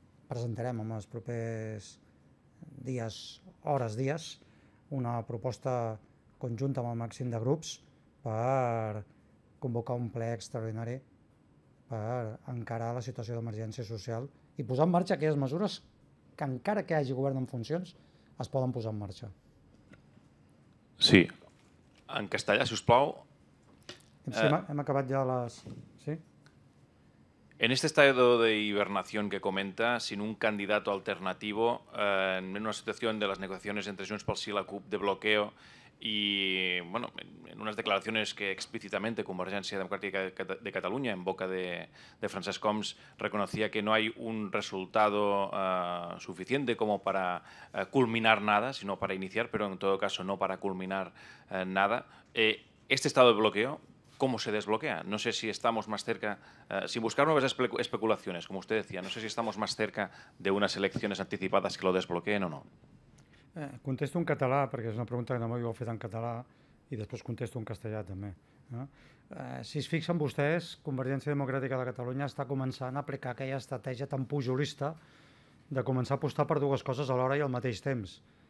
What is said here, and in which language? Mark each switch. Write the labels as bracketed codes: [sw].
[ca] Presentarem en els propers dies, hores, dies, una proposta conjunta amb el màxim de grups per convocar un ple extraordinari per encarar la situació d'emergència social i posar en marxa aquelles mesures que encara que hi hagi govern en funcions es poden posar en marxa. Sí. En castellà, si us plau. Hem acabat ja les... Sí? [es] En este estado de hibernación que comenta, sin un candidato alternativo, en una situación de las negociaciones entre Junts pel Sí y la CUP de bloqueo y bueno, en unas declaraciones que explícitamente Convergència Democràtica de Catalunya en boca de Francesc Homs reconocía que no hay un resultado suficiente como para culminar nada, sino para iniciar, pero en todo caso no para culminar nada. Este estado de bloqueo, ¿cómo se desbloquea? No sé si estamos más cerca, sin buscar nuevas especulaciones, como usted decía, no sé si estamos más cerca de unas elecciones anticipadas que lo desbloqueen o no. [ca] Contesto en català, perquè és una pregunta que no m'havia fet en català, i després contesto en castellà també. Si es fixen vostès, Convergència Democràtica de Catalunya està començant a aplicar aquella estratègia tan pujolista de començar a apostar per dues coses alhora i al mateix temps.